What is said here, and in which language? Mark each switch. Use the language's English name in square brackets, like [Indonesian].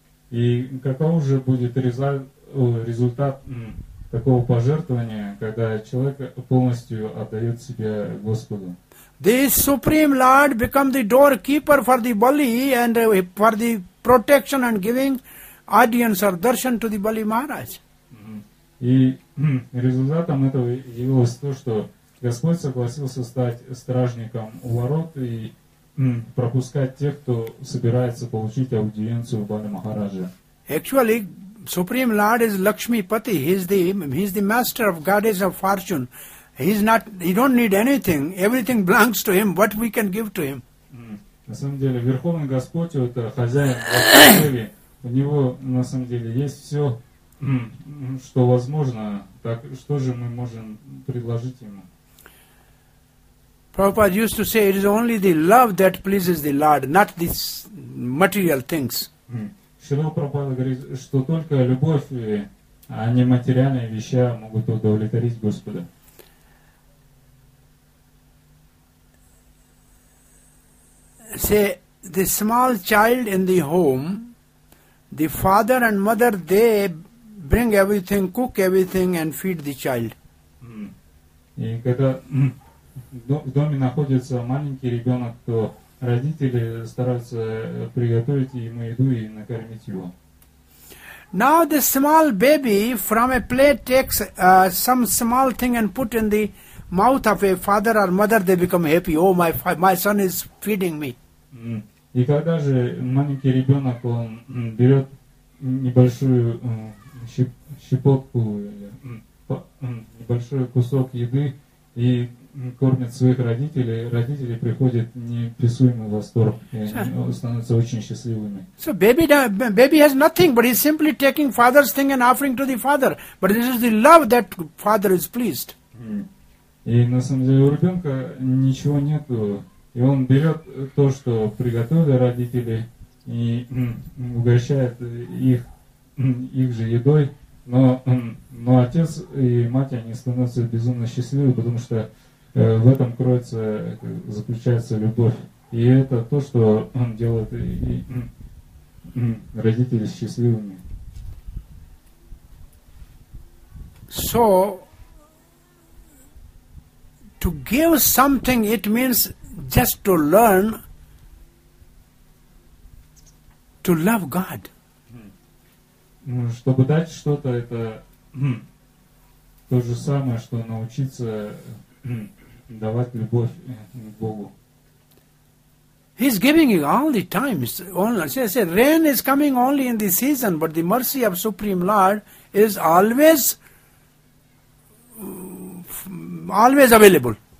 [Russian] И каков же будет результат такого пожертвования, когда человек полностью отдает себя Господу? [English] The Supreme Lord become the doorkeeper for the Bali and for the protection and giving audience or darshan to the Bali Maharaj. [Russian] И результатом этого явилось то, что Господь согласился стать стражником у ворот и пропускать тех, кто собирается получить аудиенцию Бали Махараджа. [English] Actually, Supreme Lord is Lakshmi Pati. He's the master of goddess of fortune. He don't need anything. Everything belongs to him. What we can give to him? [Russian] На самом деле, Верховный Господь — это хозяин Лакшми. У него на самом деле есть все, что возможно. Так что же мы можем предложить ему? [English] Prabhupada used to say, it is only the love that pleases the Lord, not these material things. [Russian] Шрила Прабхупада говорит, что только любовь, а не материальные вещи могут удовлетворить Господа. [English] Say, the small child in the home, the father and mother, they bring everything, cook everything and feed the child. [Russian] И когда в доме находится маленький ребенок, то родители стараются приготовить ему еду и накормить его. [English] Now the small baby from a plate takes some small thing and put in the mouth of a father or mother, they become happy. Oh, my son is feeding me. [Russian] И когда же маленький ребенок, он берет небольшую щепотку, небольшой кусок еды и кормит своих родителей, родители приходят неописуемый восторг, и они становятся очень счастливыми. [English] So baby has nothing, but he's simply taking father's thing and offering to the father. But this is the love that father is pleased. [Russian] И на самом деле у ребенка ничего нету, и он берет то, что приготовили родители, и угощает их же едой. Но отец и мать, они становятся безумно счастливы, потому что в этом кроется, заключается любовь. И это то, что он делает и родители счастливыми. [English] So, to give something, it means just to learn to love God. [Russian] Чтобы дать что-то, это то же самое, что научиться давать любовь Богу. [English] He's giving you all the time. Say, rain is coming only in the season, but the mercy of Supreme Lord is always available.